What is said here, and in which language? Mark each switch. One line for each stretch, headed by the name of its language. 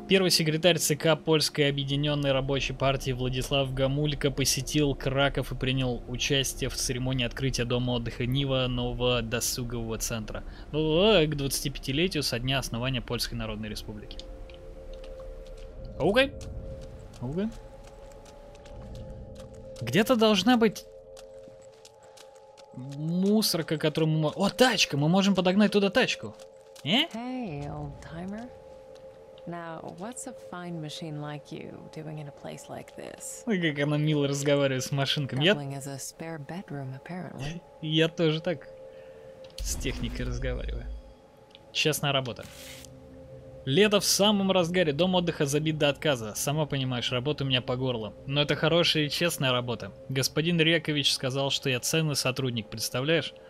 Russian: Первый секретарь ЦК Польской Объединенной Рабочей Партии Владислав Гамулько посетил Краков и принял участие в церемонии открытия Дома отдыха Нива, нового досугового центра, к 25-летию со дня основания Польской Народной Республики. Окей. Окей. Где-то должна быть... мусорка, которую мы... О, тачка! Мы можем подогнать туда тачку.
English: Hey, old-timer. Now, what's a fine machine like you doing in a place like this?
Russian: Ой, как она мило разговаривает с машинками. Я...
English: Bedroom,
Russian: я тоже так с техникой разговариваю. Честная работа. Лето в самом разгаре. Дом отдыха забит до отказа. Сама понимаешь, работа у меня по горло. Но это хорошая и честная работа. Господин Рекович сказал, что я ценный сотрудник, представляешь?